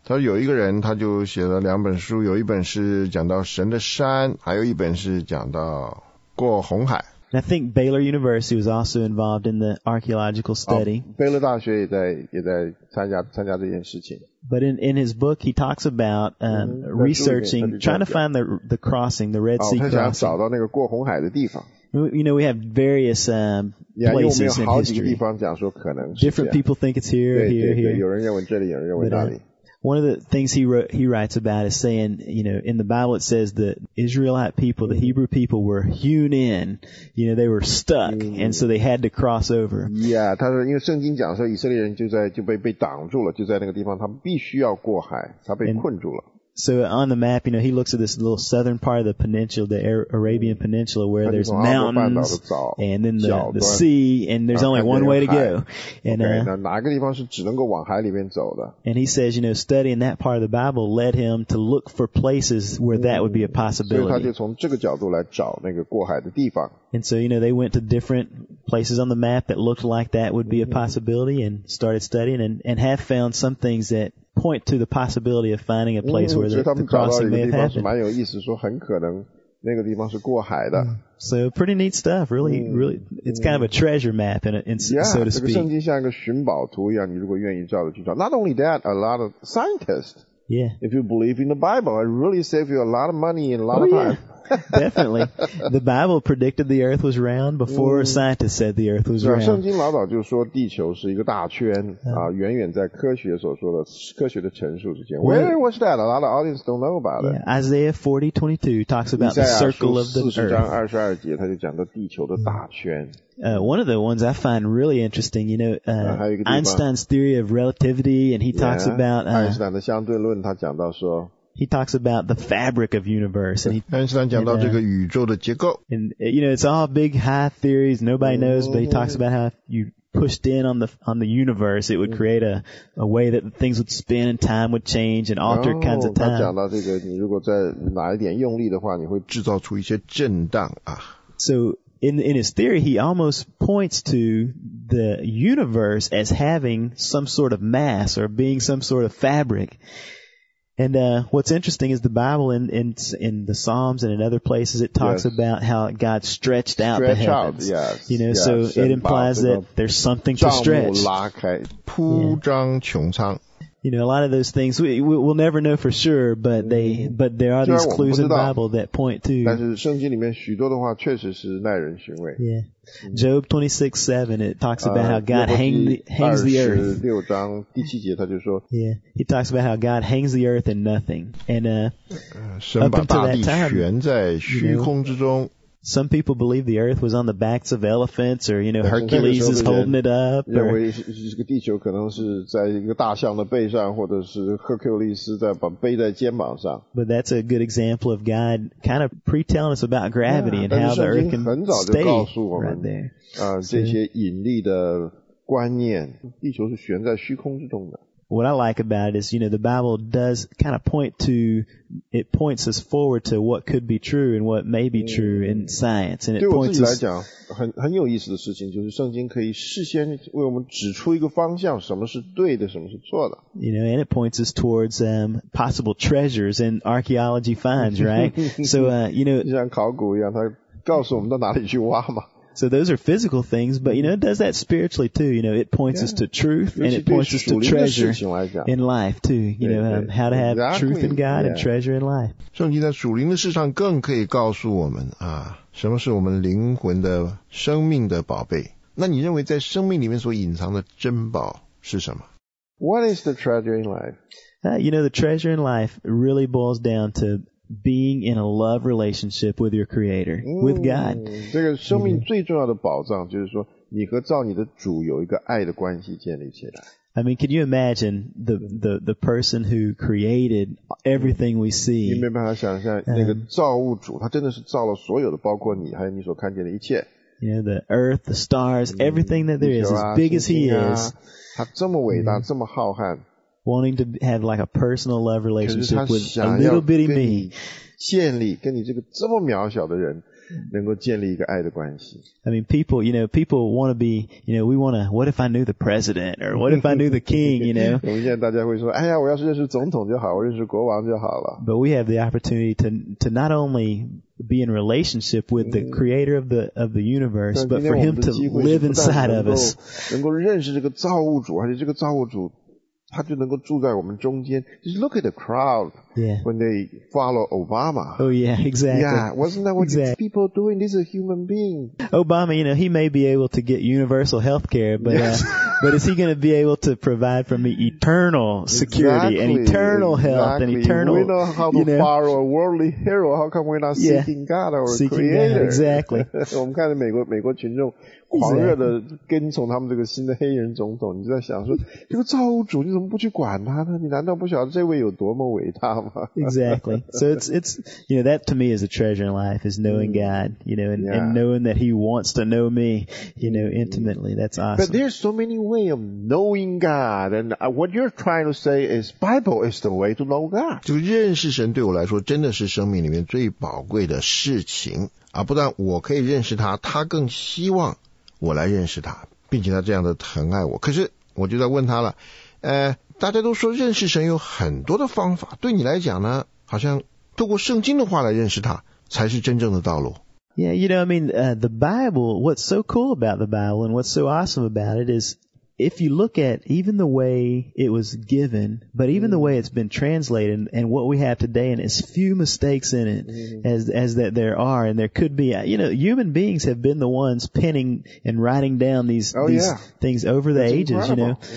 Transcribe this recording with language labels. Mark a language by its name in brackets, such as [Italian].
[Chinese] 他有一个人他就写了两本书，有一本是讲到神的山，还有一本是讲到过红海。 [English] And I think Baylor University was also involved in the archaeological study. [Chinese] Baylor 大学也在参加这件事情。 [English] But in his book, he talks about researching, trying to find the crossing, the Red Sea crossing. [Chinese] 他想找到那个过红海的地方。 [English] You know, we have various places in history. [Chinese] 有好几个地方讲说可能是。 [English] Different people think it's here, here, here. [Chinese] 有人认为这里，有人认为那里。 [English] One of the things he writes about is saying, you know, in the Bible it says the Israelite people, the Hebrew people were hewn in, you know, they were stuck, and so they had to cross over. [Chinese] Yeah, 他说因为圣经讲说以色列人就被挡住了，就在那个地方，他们必须要过海，他被困住了。 [English] So on the map, you know, he looks at this little southern part of the peninsula, the Arabian Peninsula, where there's mountains, and then the sea, and there's only one way to go. And he says, you know, studying that part of the Bible led him to look for places where that would be a possibility. [Chinese] 所以他就从这个角度来找那个过海的地方。 [English] And so, you know, they went to different places on the map that looked like that would be a possibility and started studying and have found some things that point to the possibility of finding a place where the crossing may have happened. [Chinese] 蛮有意思，说很可能那个地方是过海的。 [English] So pretty neat stuff, really, really. It's kind of a treasure map, so to speak. [Chinese] 这个圣经像一个寻宝图一样，你如果愿意照着去找。 [English] Not only that, a lot of scientists. Yeah. If you believe in the Bible, it really saves you a lot of money and a lot of time. Definitely. The Bible predicted the earth was round before scientists said the earth was round. [Chinese] 圣经老早就说地球是一个大圈、远远在科学所说的科学的陈述之间。 [English] Where was that? A lot of audience don't know about it. Yeah, Isaiah 40:22 talks about the circle of the earth. [Chinese] 42:22, 他就讲到地球的大圈。 [English] One of the ones I find really interesting, you know, Einstein's theory of relativity, and he talks about... [Chinese] Einstein 的相对论他讲到说 [English] He talks about the fabric of universe. [Chinese] Einstein 讲到这个宇宙的结构。 [English] And, you know, it's all big, high theories. Nobody knows, but he talks about how if you pushed in on the universe, it would create a way that things would spin and time would change and alter kinds of time. [Chinese] 他讲到这个，你如果再拿一点用力的话，你会制造出一些震荡啊。 [English] So, in his theory, he almost points to the universe as having some sort of mass or being some sort of fabric. And what's interesting is the Bible in the Psalms and in other places, it talks about how God stretched out stretch the heavens. Out, yes, you know, yes, so it implies that there's something to stretch. [Chinese] 帐幕拉开, 铺张穹苍. [English] You know, a lot of those things, we'll never know for sure, but, but there are these clues in the Bible that point to. [Chinese] 但是圣经里面许多的话确实是耐人寻味. [English] Yeah. Job 26:7, it talks about how God hangs the earth. [Chinese] 26章第七节他就说 [English] Yeah, he talks about how God hangs the earth in nothing. And up until that time, you know, some people believe the earth was on the backs of elephants or, you know, Hercules is holding it up. [Chinese] 认为这个地球可能是在一个大象的背上或者是 Hercules 在把背在肩膀上。 [English] But that's a good example of God kind of pre-telling us about gravity and how the earth can stay right there. [Chinese] 这些引力的观念地球是悬在虚空之中的。 [English] What I like about it is, you know, the Bible does kind of point to, it points us forward to what could be true and what may be true in science. And it points us... [Chinese] 对我自己来讲，很有意思的事情就是圣经可以事先为我们指出一个方向，什么是对的，什么是错的。 [English] You know, and it points us towards possible treasures and archaeology finds, right? So, you know... [Chinese] 就像考古一样，它告诉我们到哪里去挖嘛。 [English] So those are physical things, but you know, it does that spiritually too. You know, it points us to truth and it points us to treasure in life too. You know, how to have truth in God and treasure in life. [Chinese] 圣经在属灵的事上更可以告诉我们啊，什么是我们灵魂的生命的宝贝。那你认为在生命里面所隐藏的珍宝是什么？ [English] What is the treasure in life? You know, the treasure in life really boils down to being in a love relationship with your creator, with God. 这个生命最重要的宝藏就是说你和造你的主有一个爱的关系建立起来。 I mean, can you imagine the person who created everything we see? 你没办法想象那个造物主他真的是造了所有的包括你还有你所看见的一切。 You know, the earth, the stars, everything that there is, as big as he is. 他这么伟大这么浩瀚。 Wanting to have like a personal love relationship with a little bitty me. 建立跟你这个这么渺小的人能够建立一个爱的关系。 I mean, people, you know, people want to be, you know, we want to, what if I knew the president or what if I knew the king, you know? 我们现在大家会说哎呀我要是认识总统就好我认识国王就好了。 But we have the opportunity to not only be in relationship with the creator of the universe, but for him to live inside of us. 能够认识这个造物主而且这个造物主他就能够住在我们中间。 Just look at the crowd when they follow Obama. Oh yeah, exactly. Yeah, wasn't that what these people are doing? These are human beings. Obama, you know, he may be able to get universal health care, but, but is he going to be able to provide for me eternal security and eternal health and eternal, we know how to follow a worldly hero. How come we're not seeking God or creator? Seeking God, exactly. [Chinese] 我们看着美国群众狂热的跟从他们这个新的黑人总统，你就在想说，这个造物主你怎么不去管他呢？你难道不晓得这位有多么伟大吗 [English] ？Exactly. So it's you know that to me is a treasure in life is knowing God, you know, and knowing that He wants to know me, you know, intimately. That's awesome. But there's so many way of knowing God, and what you're trying to say is Bible is the way to know God. [Chinese] 就认识神对我来说真的是生命里面最宝贵的事情。啊，不但我可以认识他，他更希望我来认识他，并且他这样的疼爱我。可是我就在问他了，大家都说认识神有很多的方法，对你来讲呢，好像透过圣经的话来认识他，才是真正的道路。 [English] Yeah, you know, I mean, the Bible, what's so cool about the Bible and what's so awesome about it is if you look at even the way it was given, but even the way it's been translated and what we have today and as few mistakes in it as that there are and there could be, you know, human beings have been the ones penning and writing down these things over the ages, you know.